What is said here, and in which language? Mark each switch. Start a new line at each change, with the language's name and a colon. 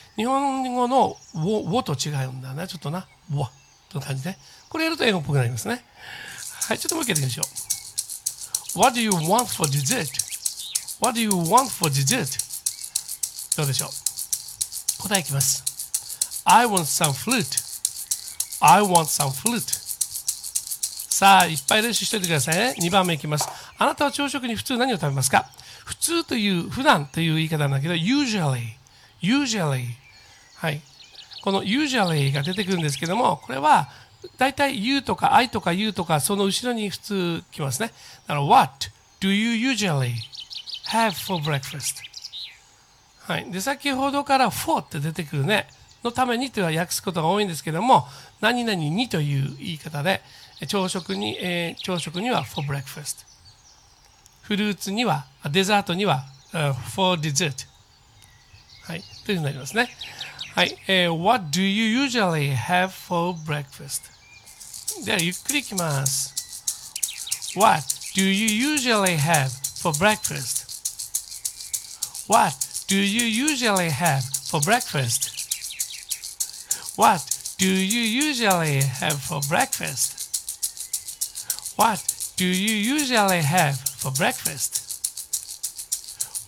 Japanese: 日本語の want と違うんだね。ちょっとな want という感じね。これやると英語っぽくなりますね。はい、ちょっともう一回やりましょう。
English: What do you want for dessert? What do you want for dessert?
Japanese: どうでしょう？答えいきます。
English: I want some fruit. I want some fruit.
Japanese: さあ、いっぱい練習しておいてくださいね。2番目いきます。あなたは朝食に普通何を食べますか？普通という、普段という言い方なんだけど、usually。 usually。 はい。この usually が出てくるんですけども、これは、だいたい you とか I とか you とかその後ろに普通来ますね。
English: What do you usually have for breakfast?
Japanese: はい。で、先ほどから for って出てくるね。のためにとは訳すことが多いんですけども、何々にという言い方で、朝食には for breakfast。フルーツには、デザートには、for dessert。はい。というふうになりますね。はい。
English: What do you usually have for breakfast?
Japanese: では、ゆっくりいきます。
English: What do you usually have for breakfast? What do you usually have for breakfast? What do you usually have for breakfast? What do you usually have for breakfast?